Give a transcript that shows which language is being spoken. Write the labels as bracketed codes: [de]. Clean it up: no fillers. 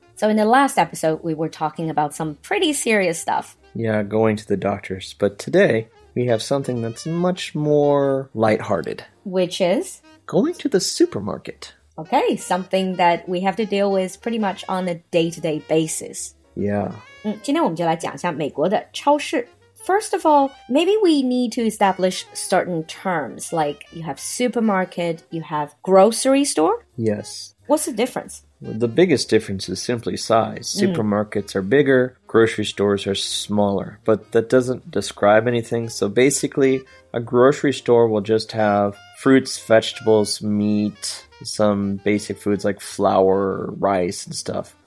[en] So in the last episode, we were talking about some pretty serious stuff. Yeah, going to the doctors. But today, we have something that's much more lighthearted. Which is? Going to the supermarket. Okay, something that we have to deal with pretty much on a day-to-day basis. Yeah. [zh] 今天我们就来讲一下美国的超市。 [en] First of all, maybe we need to establish certain terms, like you have supermarket, you have grocery store. Yes. What's the difference? The biggest difference is simply size. Supermarkets are bigger, grocery stores are smaller. But that doesn't describe anything. So basically, a grocery store will just have fruits, vegetables, meat, some basic foods like flour, rice, and stuff.